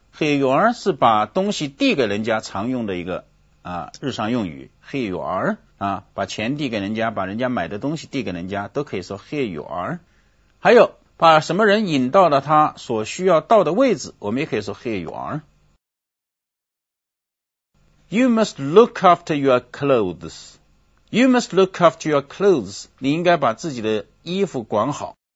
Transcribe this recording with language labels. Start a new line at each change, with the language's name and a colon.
English: Here you are
Chinese: 是把东西递给人家常用的一个啊日常用语。
English: Here you are
Chinese: 啊，把钱递给人家，把人家买的东西递给人家，都可以说 Here you are. 还有把什么人引到了他所需要到的位置，我们也可以说
English: Here you are. You must look after your clothes. You must look after your clothes.
Chinese: 你应该把自己的衣服管好。